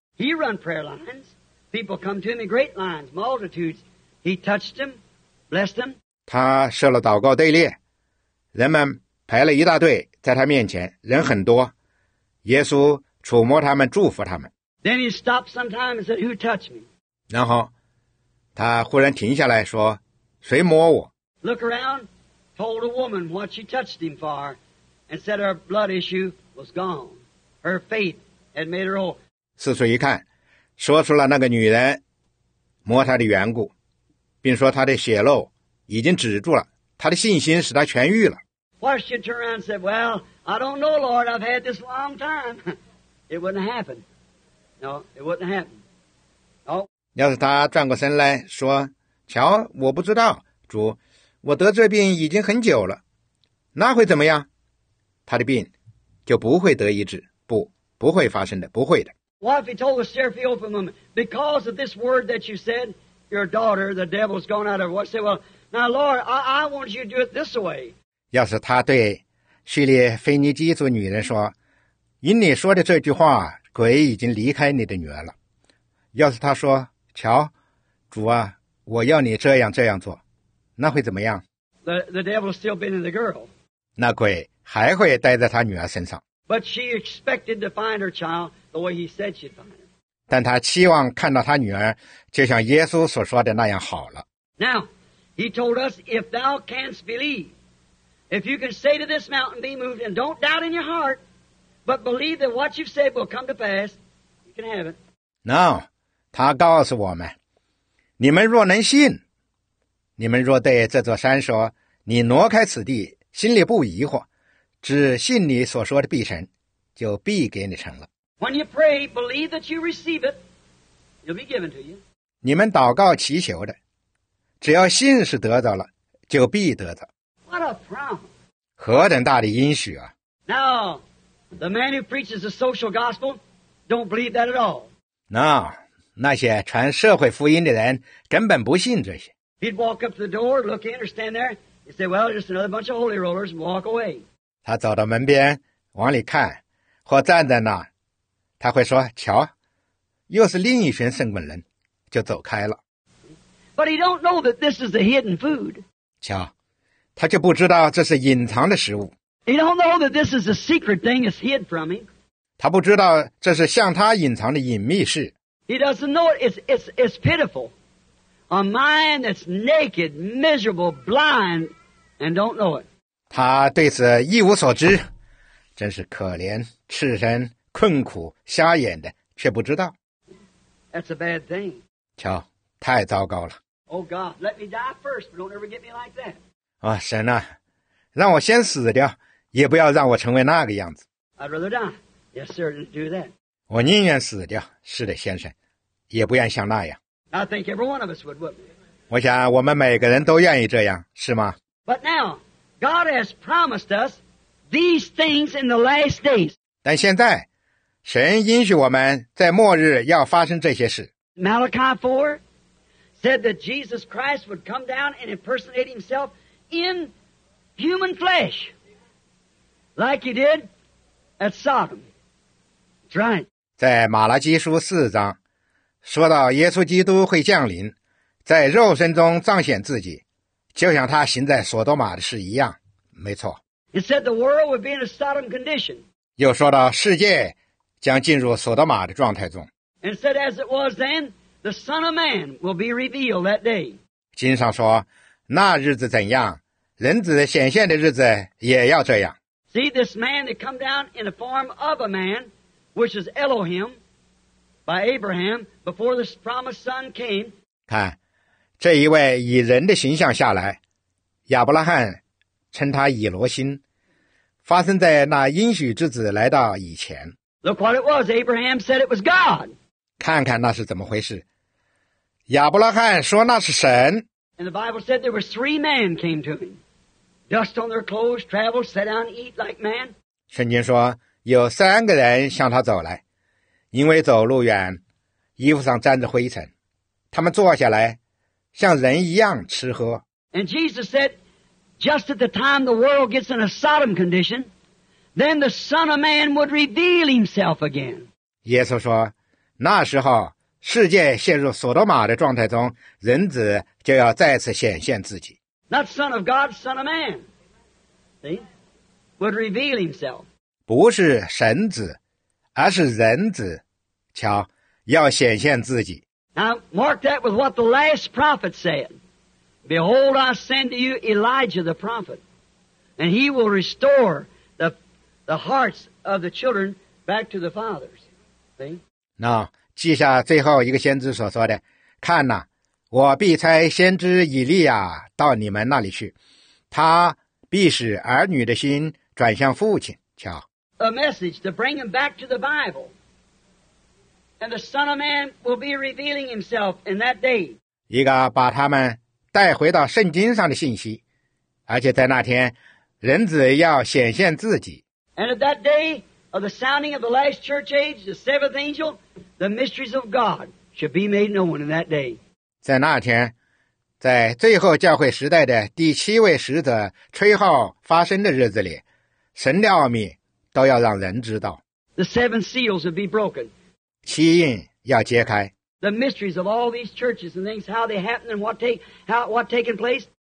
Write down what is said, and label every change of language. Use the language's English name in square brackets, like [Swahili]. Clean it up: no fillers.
[English] He run prayer lines. People come to Him in great lines, multitudes. He touched them, blessed them. [Chinese] 他设了祷告队列，人们排了一大队在他面前，人很多。耶稣触摸他们，祝福他们。 [English] Then he stopped sometime and said, "Who touched me?" [Chinese] 然后他忽然停下来说，谁摸我？ [English] Look around, told a woman what she touched him for, and said her blood issue was gone. Her faith had made her whole. [Chinese] 四处一看，说出了那个女人摸他的缘故，并说她的血漏已经止住了，她的信心使她痊愈了。 [English] Why she turned around and said, "Well, I don't know, Lord. I've had this long time. It wouldn't happen. No, it wouldn't happen. No." [Chinese] 要是她转过身来说，瞧，我不知道，主，我得这病已经很久了，那会怎么样？她的病就不会得医治，不，不会发生的，不会的。 [English] Why if he told the Seraphim woman, because of this word that you said, your daughter, the devil's gone out of her. What say, well, now, Lord, I want you to do it this way. [Chinese] 要是他对叙利腓尼基族女人说，因你说的这句话，鬼已经离开你的女儿了。要是他说，瞧，主啊，我要你这样这样做，那会怎么样？ [English] The devil's still been in the girl. [Chinese] 那鬼还会待在他女儿身上。 [English] But she expected to find her child. The way he said she'd find her. [Chinese] 但他期望看到他女儿就像耶稣所说的那样好了。 [English] Now, he told us, if thou canst believe, if you can say to this mountain, be moved, and don't doubt in your heart, but believe that what you've said will come to pass, you can have it. Now, [Chinese] 他告诉我们，你们若能信，你们若对这座山说，你挪开此地，心里不疑惑，只信你所说的必成，就必给你成了。 [English] When you pray, believe that you receive it, it'll be given to you. [Chinese] 你们祷告祈求的，只要信是得着了，就必得着。 [English] What a promise! [Chinese] 何等大的应许啊！ [English] Now, the man who preaches the social gospel don't believe that at all. Now, [Chinese] 那些传社会福音的人根本不信这些。 [English] He'd walk up to the door, look in, or stand there, and say, "Well, just another bunch of holy rollers," and walk away. [Chinese] 他走到门边往里看，或站在那。他会说，瞧，又是另一群圣门人，就走开了。 [English] But he don't know that this is the hidden food. [Chinese] 瞧，他就不知道这是隐藏的食物。 [English] He don't know that this is a secret thing that's hid from him. [Chinese] 他不知道这是向他隐藏的隐秘事。 [English] He doesn't know it's pitiful. A mind that's naked, miserable, blind, and don't know it. [Chinese] 他对此一无所知，真是可怜，赤身。困苦瞎眼的却不知道。 [English] That's a bad thing. [Chinese] 瞧，太糟糕了。 [English] Oh God, let me die first, but don't ever get me like that. [Chinese] 啊，神啊，让我先死掉，也不要让我成为那个样子。 [English] I'd rather die. Yes, sir, let's do that. [Chinese] 我宁愿死掉，是的，先生，也不愿像那样。 [English] I think every one of us would, wouldn't we? [Chinese] 我想我们每个人都愿意这样，是吗？ [English] But now, God has promised us these things in the last days. [Chinese] 但现在神应许我们在末日要发生这些事。 [English] Malachi 4 said that Jesus Christ would come down and impersonate himself in human flesh, like he did at Sodom. That's right. [Chinese] 在马拉基书四章，说到耶稣基督会降临，在肉身中彰显自己，就像他行在索多玛的事一样。没错。 [English] He said the world would be in a Sodom condition. [Chinese] 又说到世界将进入索多玛的状态中。 [English] And said, as it was then, the Son of Man will be revealed that day. [Chinese] 经上说，那日子怎样，人子显现的日子也要这样。 [English] See, this man that come down in the form of a man, which is Elohim, by Abraham, before this promised son came. [Chinese] 看，这一位以人的形象下来，亚伯拉罕称他以罗心，发生在那应许之子来到以前。 [English] Look what it was. Abraham said it was God. [Chinese] 看看那是怎么回事。亚伯拉罕说那是神。 [English] And the Bible said there were three men came to him. Dust on their clothes, travel, sat down, eat like man. [Chinese] 圣经说有三个人向他走来，因为走路远，衣服上沾着灰尘，他们坐下来，像人一样吃喝。 [English] And Jesus said, just at the time the world gets in a Sodom condition, then the Son of Man would reveal himself again. [Chinese] 耶稣说，那时候世界陷入索多玛的状态中，人子就要再次显现自己。 [English] Not Son of God, Son of Man. See? Would reveal himself. [Chinese] 不是神子，而是人子，瞧，要显现自己。 [English] Now, mark that with what the last prophet said. Behold, I send to you Elijah the prophet, and he will restore the hearts of the children back to the fathers. See? [Chinese] 那记下最后一个先知所说的，看哪，我必差先知以利亚到你们那里去，他必使儿女的心转向父亲。瞧。 [English] A message to bring him back to the Bible. And the Son of Man will be revealing himself in that day. [Chinese] 一个把他们带回到圣经上的信息，而且在那天，人子要显现自己。 [English] And at that day of the sounding of the last church age, the seventh angel, the mysteries of God should be made known in that day. [Chinese] 在那天，在最后教会时代的第七位使者吹号发声的日子里，神的奥秘都要让人知道。 [English] The seven seals will be broken. [Chinese] 七印要揭开。 [English] The mysteries of all these churches and things, how they happen and what taken place.